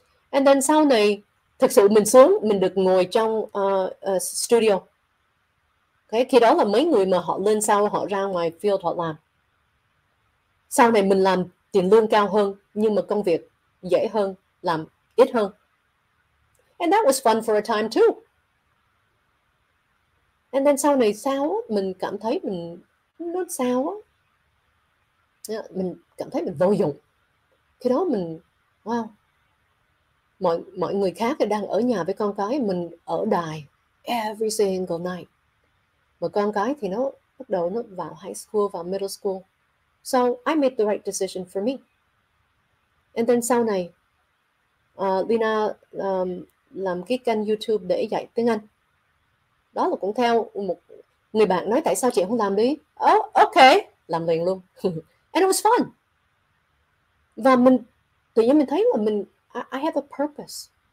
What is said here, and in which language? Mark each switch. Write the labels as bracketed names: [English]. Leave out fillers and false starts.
[English] And then [Vietnamese] sau này, thật sự mình xuống, mình được ngồi trong studio. Okay? Khi đó là mấy người mà họ lên sau, họ ra ngoài field họ làm. Sau này mình làm tiền lương cao hơn, nhưng mà công việc dễ hơn, làm ít hơn. [English] And that was fun for a time too. And then [Vietnamese] sau này sao, mình cảm thấy mình nó sao á. Mình cảm thấy mình vô dụng. Khi đó mình, wow, mọi người khác đang ở nhà với con cái, mình ở đài [English] every single night. [Vietnamese] Mà con cái thì nó bắt đầu nó vào high school, vào middle school. [English] So I made the right decision for me. And then [Vietnamese] sau này, Lina làm cái kênh YouTube để dạy tiếng Anh. Đó là cũng theo một người bạn nói, tại sao chị không làm đi? Oh, okay, làm liền luôn. [English] And it was fun. [Vietnamese] Và mình, tự nhiên mình thấy là mình, [English] I have a purpose.